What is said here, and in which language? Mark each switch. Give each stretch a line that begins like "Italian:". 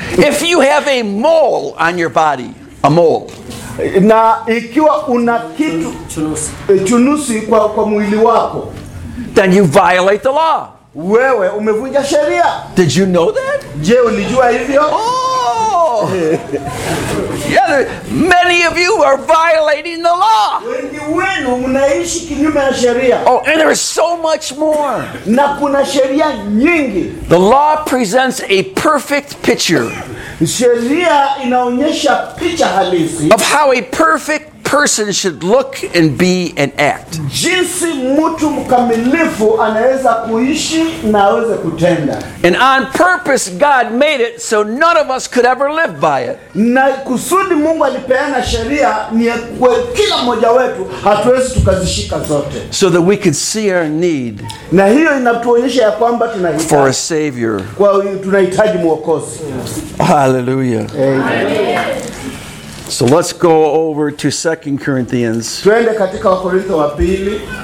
English: If you have a mole on your body, a mole.
Swahili: Na ikiwa una kitu chunusi kwa mwili wako,
English: then you violate the law.
Swahili: Wewe umevunja sheria.
English: Did you know that?
Swahili: Je, unijua hivyo?
English: Oh! Yeah, many of you are violating the law.
Swahili: Wengi wenu mnaishi kinyume na sheria.
English: Oh, and there is so much more.
Swahili: Na kuna sheria nyingi.
English: The law presents a perfect picture.
Swahili: Sheria inaonyesha picha halisi
English: of how a perfect person should look and be and act.
Swahili: Jinsi mtu mkamilifu anaweza kuishi na aweze kutenda.
English: And on purpose God made it so none of us could ever live by it.
Swahili: Na kusudi Mungu alipeana sheria ni kwa kila mmoja wetu hatuwezi tukazishika zote.
English: So that we could see our need.
Swahili: Na hiyo inatuonyesha ya kwamba tunahitaji.
English: For a savior.
Swahili: Kwa tunahitaji mwokozi.
English: Hallelujah. Amen. So let's go over to 2 Corinthians.
Swahili: Twende katika Wakorintho wa pili.